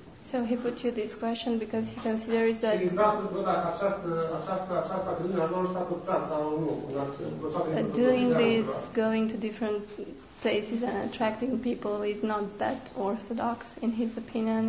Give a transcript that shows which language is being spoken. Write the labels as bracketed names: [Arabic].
[English] So he put you this question because he considers that... [Romanian] Și vreau să văd dacă această credință lor s-a păstrat sau nu. [English] Doing this, going to different places and attracting people is not that orthodox, in his opinion.